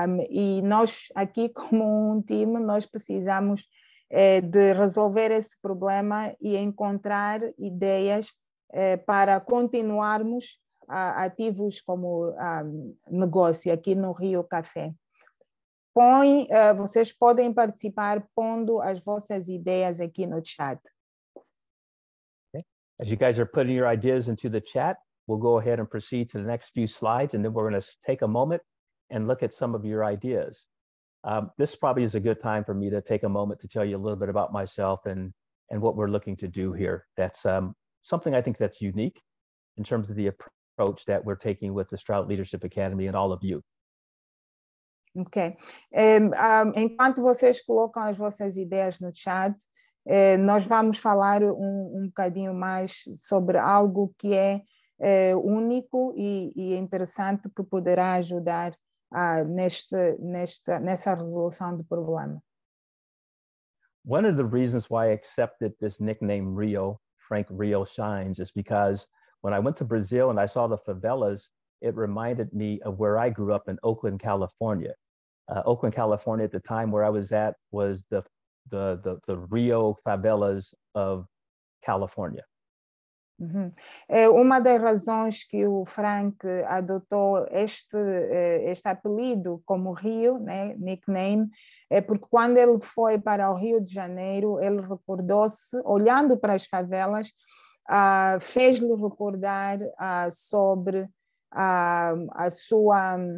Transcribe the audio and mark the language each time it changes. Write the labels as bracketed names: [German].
[Portuguese] E nós aqui como time, nós precisamos de resolver esse problema e encontrar ideias para continuarmos ativos como negócio aqui no Rio Café. Vocês podem participar pondo as vossas ideias aqui no chat. Okay. [English] As you guys are putting your ideas into the chat, we'll go ahead and proceed to the next few slides, and then we're going to take a moment and look at some of your ideas. This probably is a good time for me to take a moment to tell you a little bit about myself and what we're looking to do here. That's something I think that's unique in terms of the approach that we're taking with the Stroud Leadership Academy and all of you. Ok. [Portuguese] Enquanto vocês colocam as vossas ideias no chat, nós vamos falar um bocadinho mais sobre algo que é único e interessante que poderá ajudar nessa resolução do problema. [English] One of the reasons why I accepted this nickname Rio, Frank Rio Shines, is because when I went to Brazil and I saw the favelas, it reminded me of where I grew up in Oakland, California. Oakland, California at the time where I was at was the Rio favelas of California. [Portuguese] Uma das razões que o Frank adotou este apelido como Rio, né, nickname, é porque quando ele foi para o Rio de Janeiro, ele recordou-se, olhando para as favelas, fez-lhe recordar sobre a sua